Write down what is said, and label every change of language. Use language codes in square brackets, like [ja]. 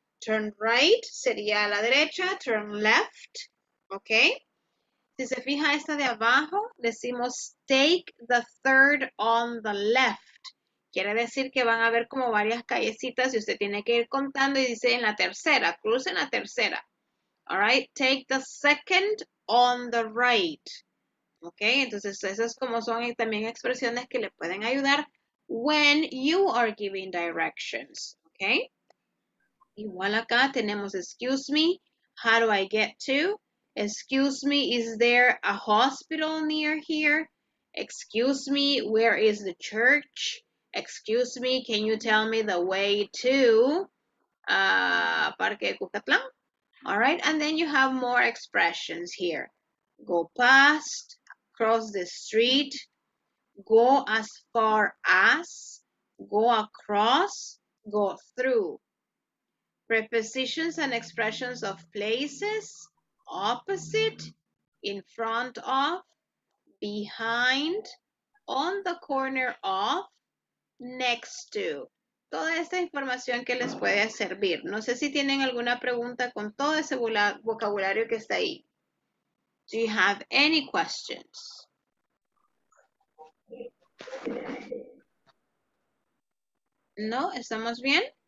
[en] Turn right [es] sería a la derecha, [en] turn left, [es] ¿ok? Si se fija esta de abajo, decimos [en] take the third on the left. [es] Quiere decir que van a ver como varias callecitas y usted tiene que ir contando y dice en la tercera, cruce en la tercera. [en] All right, take the second on the right. [es] Ok, entonces esas como son también expresiones que le pueden ayudar [en] when you are giving directions. Ok, [es] igual acá tenemos [en] excuse me, how do I get to? Excuse me, is there a hospital near here? Excuse me, where is the church? Excuse me, can you tell me the way to Parque Cucatlán? All right, and then you have more expressions here. Go past, cross the street, go as far as, go across, go through. Prepositions and expressions of places, opposite, in front of, behind, on the corner of, next to. [es] Toda esta información que les puede servir. No sé si tienen alguna pregunta con todo ese vocabulario que está ahí. [en] Do you have any questions? [es] No, ¿estamos bien?